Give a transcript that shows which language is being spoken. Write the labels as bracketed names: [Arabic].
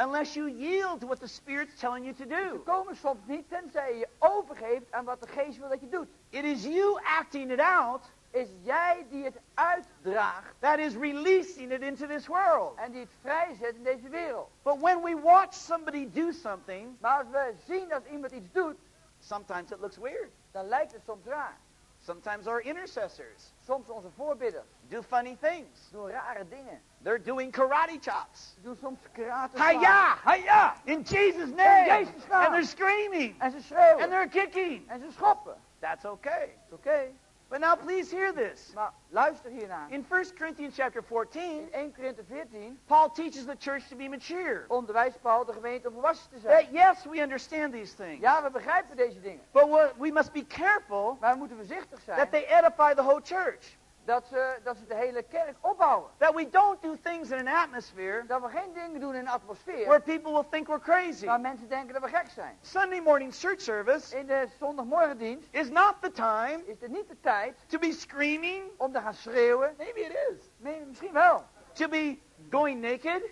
[English] Unless you yield to what the spirit's telling you to do. [Dutch] Ze komen soms niet tenzij je overgeeft aan wat de geest wil dat je doet. [English] It is you acting it out. [Dutch] Is jij die het uitdraagt. [English] That is releasing it into this world. [Dutch] En die het vrijzet in deze wereld. [English] But when we watch somebody do something. [Dutch] Maar als we zien dat iemand iets doet. [English] Sometimes it looks weird. [Dutch] Dan lijkt het soms raar. [English] Sometimes our intercessors. [Dutch] Soms onze voorbidders. [English] Do funny things. [Dutch] Doen rare dingen. [English] They're doing karate chops. [Dutch] Doen soms karate. [English] Hiya! Hiya! In Jesus' name! In Jesus' name! And they're screaming! [Dutch] En ze schreeuwen! [English] And they're kicking! [Dutch] En ze schoppen! [English] That's okay. It's okay. But now please hear this. [Dutch] Maar luister hiernaar. [English] In 1 Corinthians chapter 14. [Dutch] In 1 Corinthians 14. [English] Paul teaches the church to be mature. [Dutch] Onderwijst Paul de gemeente om volwassen te zijn. [English] That yes, we understand these things. [Dutch] Ja, we begrijpen deze dingen. [English] But we must be careful. [Dutch] Maar we moeten voorzichtig zijn. [English] That they edify the whole church. [Dutch] Dat ze de hele kerk opbouwen. [English] That we don't do things in an atmosphere. [Dutch] Dat we geen dingen doen in een atmosfeer. [English] Where people will think we're crazy. [Dutch] Waar mensen denken dat we gek zijn. [English] Sunday morning church service. [Dutch] In de zondagmorgendienst. [English] Is not the time. [Dutch] Is het niet de tijd. [English] To be screaming. [Dutch] Om te gaan schreeuwen. [English] Maybe it is. Maybe, [Dutch] misschien wel. [English] To be going naked.